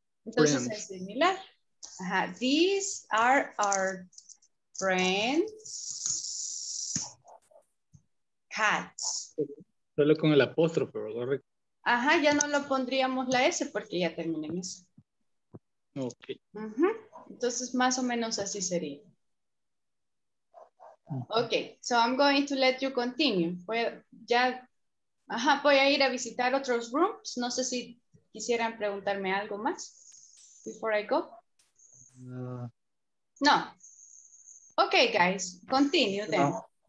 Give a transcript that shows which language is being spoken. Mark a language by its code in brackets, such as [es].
[en] Entonces, friends. [es] Es similar. [en] Ajá. These are our friends' cats. [es] Solo con el apóstrofe, ¿verdad? Ajá, ya no lo pondríamos la S porque ya terminé en eso. Ok. Uh-huh. Entonces, más o menos así sería. [en] Okay, so I'm going to let you continue. [es] Well, ya, ajá, voy a ir a visitar otros rooms. No sé si quisieran preguntarme algo más [en] before I go. [es] No. [en] No. Okay, guys, continue then. No.